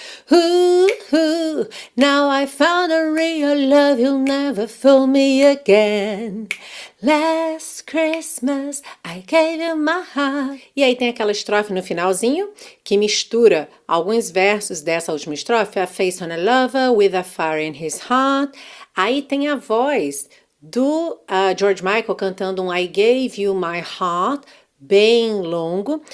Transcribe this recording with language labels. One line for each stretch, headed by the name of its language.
English: Ooh, ooh, now I found a real love, you'll never fool me again. Last Christmas, I gave you my heart.
Portuguese: E aí tem aquela estrofe no finalzinho que mistura alguns versos dessa última estrofe.
English: A face on a lover with a fire in his heart.
Portuguese: Aí tem a voz do George Michael cantando um
English: I gave you my heart,
Portuguese: bem longo.